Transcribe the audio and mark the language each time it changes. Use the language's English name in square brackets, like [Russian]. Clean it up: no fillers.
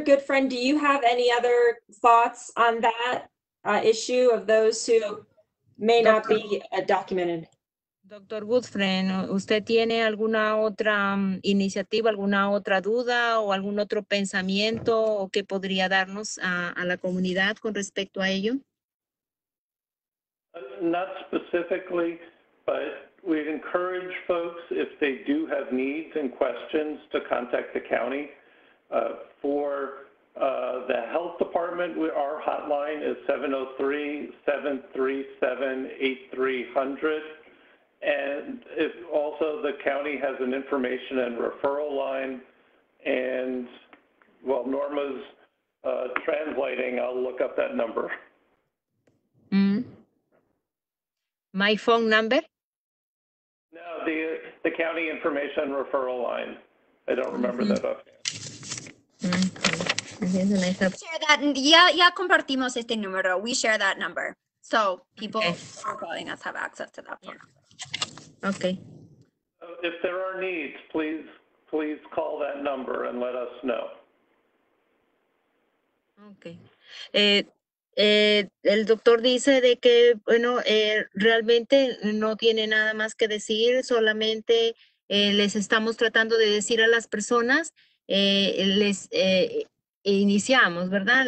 [English] Goodfriend, do you have any other thoughts on that issue of those who may not be documented? Dr. [Spanish] Goodfriend, ¿usted tiene alguna otra iniciativa, alguna otra duda o algún otro pensamiento o que podría darnos a la comunidad con respecto a ello? [English] Not specifically, but we encourage folks, if they do have needs and questions, to contact the county. For the health department, our hotline is 703-737-8300. And if also the county has an information and referral line, and while Norma's translating, I'll look up that number. Mm. My phone number? No, the county information referral line. I don't remember that offhand. Share that. [Spanish] Ya compartimos este número. [English] We share that number, so people who are calling us have access to that phone. Okay. If there are needs, please call that number and let us know. Okay. [Spanish] El doctor dice de que, bueno, realmente no tiene nada más que decir, solamente les estamos tratando de decir a las personas, les iniciamos, ¿verdad?